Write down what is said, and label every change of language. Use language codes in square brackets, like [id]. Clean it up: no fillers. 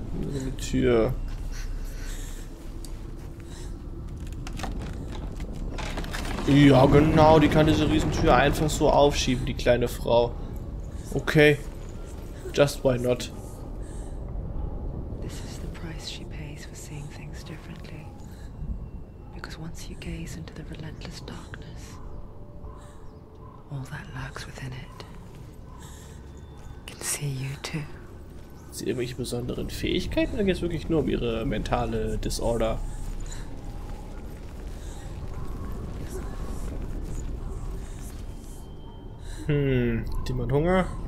[de] Eine Tür. Ja, genau, die kann diese Riesentür einfach so aufschieben, die kleine Frau. [en] Okay. Just why not? This is the price she pays for seeing things differently. Because once you gaze into the relentless darkness, all that lurks within it can see you too. [de] Hat sie irgendwelche besonderen Fähigkeiten oder geht es wirklich nur um ihre mentale Disorder? Hat jemand Hunger?